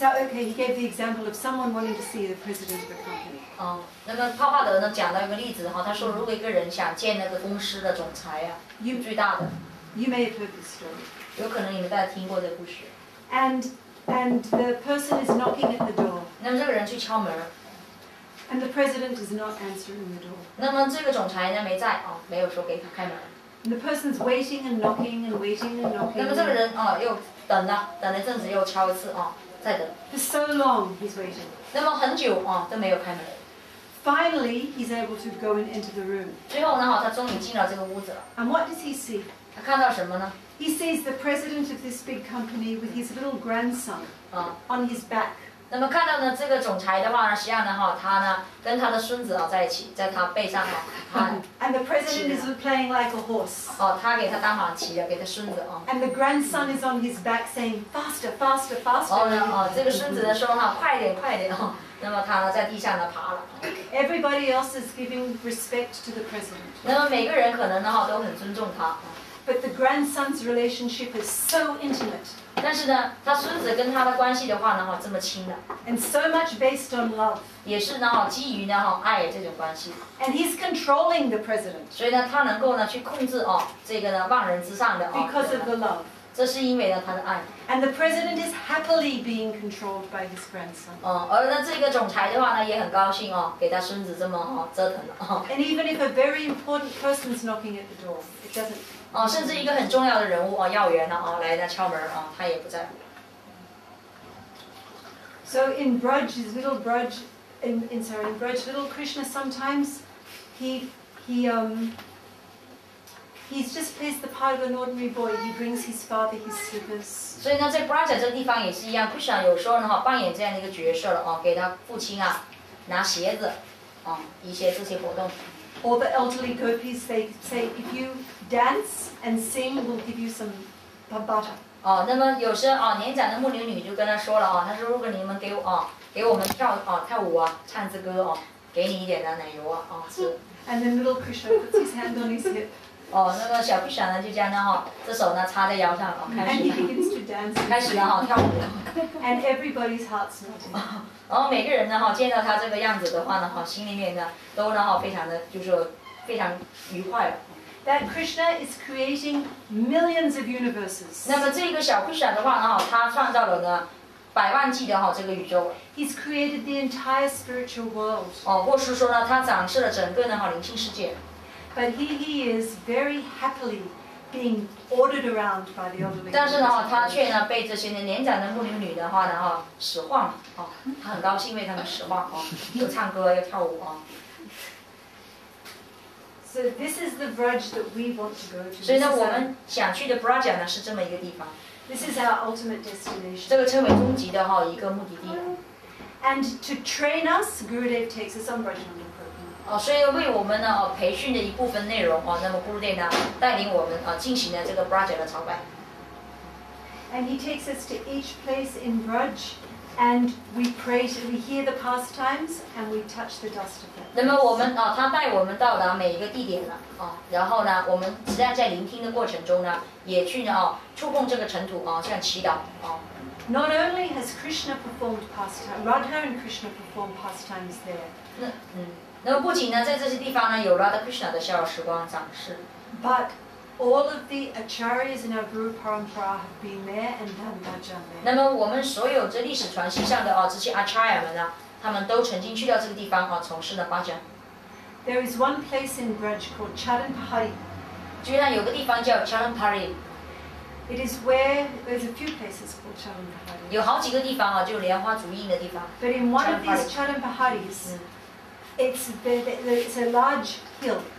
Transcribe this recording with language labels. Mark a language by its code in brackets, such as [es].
[en] He gave the example of someone wanting to see the president of a company. [zh] 那个帕帕德呢讲到一个例子哈，他说如果一个人想见那个公司的总裁呀，最大的。 [en] You may have heard this story. [zh] 有可能你们大家听过这故事。 [en] And the person is knocking at the door. [zh] 那么这个人去敲门。 [en] And the president is not answering the door. [zh] 那么这个总裁呢没在哦，没有说给他开门。 [en] And the person's waiting and knocking and waiting and knocking. [zh] 那么这个人啊、哦、又等了，等了阵子又敲一次啊、哦，再等。 [en] For so long he's waiting. [zh] 那么很久啊、哦、都没有开门。 [en] Finally he's able to go and enter the room. [zh] 最后呢哈、哦、他终于进了这个屋子了。 [en] And what does he see? [zh] 他看到什么呢？ [en] He sees the president of this big company with his little grandson on his back. [zh] 那么看到呢，这个总裁的话呢，实际上呢，哈，他呢跟他的孙子啊在一起，在他背上哈， [en] And the president is playing like a horse. [zh] 哦，他给他当马骑的，给他孙子啊。 [en] And the grandson is on his back saying faster, faster, faster. [zh] 哦，这个孙子呢说哈，快点，快点哦。那么他呢在地上呢爬了。 [en] Everybody else is giving respect to the president. [zh] 那么每个人可能呢哈都很尊重他。 [en] But the grandson's relationship is so intimate. [zh] 但是呢，他孙子跟他的关系的话呢，哈，这么亲的。 [en] And so much based on love. [zh] 也是呢，哈，基于呢，哈，爱这种关系。 [en] And he's controlling the president. [zh] 所以呢，他能够呢去控制哦，这个呢万人之上的哦。 [en] Because of the love. [zh] 这是因为呢他的爱。 [en] And the president is happily being controlled by his grandson. [zh] 哦，而那这个总裁的话呢也很高兴哦，给他孙子这么哦折腾了。 [en] And even if a very important person is knocking at the door, it doesn't. [zh] 哦、甚至一个很重要的人物、哦、要员呢、哦、来呢敲门、哦、他也不在乎。 [en] So in Braj, his little Braj, in Braj, little Krishna, sometimes he's just plays the part of an ordinary boy. He brings his father his slippers. [zh] 所以呢，在 Braj 这个地方也是一样 ，Krishna 有时候呢哈扮演这样的一个角色了、哦、给他父亲啊拿鞋子，啊、哦、一些这些活动。 [en] Or the elderly gopis, they say, if you dance and sing, we'll give you some butter. [zh] 哦，那么有时啊、哦，年长的牧牛女就跟他说了啊、哦，他说如果你们给我啊、哦，给我们跳啊、哦、跳舞啊，唱支歌啊、哦，给你一点的奶油啊啊、哦、是。 [en] And then little Krishna puts his hand on his hip. [zh] 哦，那么小 Krishna 呢就这样的哈、哦，这手呢插在腰上啊、哦，开始。 [en] And he begins to dance. [zh] 开始了哈、哦，跳舞。 [en] And everybody's heart's melting. [zh] 然后每个人呢哈见到他这个样子的话呢哈心里面呢都呢哈非常的就是非常愉快。 [en] That Krishna is creating millions of universes. [zh] 那么这个小 Krishna 的话呢哈，他创造了呢百万计的哈这个宇宙。 [en] He's created the entire spiritual world. [zh] 哦，或是说呢，他掌摄了整个呢哈灵性世界。 [en] But he is very happily. Being ordered around by the elderly. [zh] 但是呢，他却呢被这些年长的牧牛女的话呢哈使唤哦，他很高兴被他们使唤哦，又唱歌又跳舞哦。 [en] So this is the Braj that we want to go to. [zh] 所以呢，我们想去的 Braj 呢是这么一个地方。 [en] This is our ultimate destination. [zh] 这个称为终极的哈一个目的地。 [en] And to train us, Gurudev takes us on Braj. [zh] 所以为我们呢培训的一部分内容、哦、那么 Gurudev 呢带领我们、进行了这个 Braj 的朝拜。 [en] And he takes us to each place in Braj, and we pray, we hear the pastimes, and we touch the dust of it. [zh] 那么我们、他带我们到达每一个地点了、然后呢，我们实际上在聆听的过程中呢，也去呢、触碰这个尘土、像祈祷、 [en] Not only has Krishna performed pastimes, Radha and Krishna performed pastimes there. [zh] 那么不仅呢，在这些地方呢，有 Radha Krishna 的逍遥时光展示。 [en] But all of the acharyas in our guru parampara have been there and done that jhana. [zh] 那么我们所有这历史传世上的哦，这些 acharya 们呢，他们都曾经去到这个地方哦，从事的八将。 [en] There is one place in Braj called Chadanpari. [zh] 居然有个地方叫 Chadanpari。 [en] It is where there's a few places called Chadanpari. [zh] 有好几个地方哦，就莲花足印的地方。 [en] But in one of these Chadanparis,、嗯、it's a large hill.